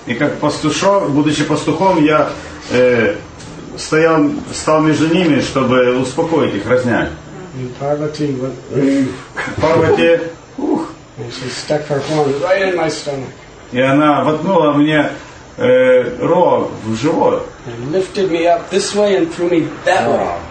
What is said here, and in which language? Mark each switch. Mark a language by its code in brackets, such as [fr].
[ru] И как пастушок, будучи пастухом, я стал между ними, чтобы успокоить их, разнять. [en] And Parvati went, [ru] Парвати, ух! [en] And she stuck her horn right in my stomach. [ru] И она воткнула мне рог в живот. [en] And lifted me up this way and threw me that way.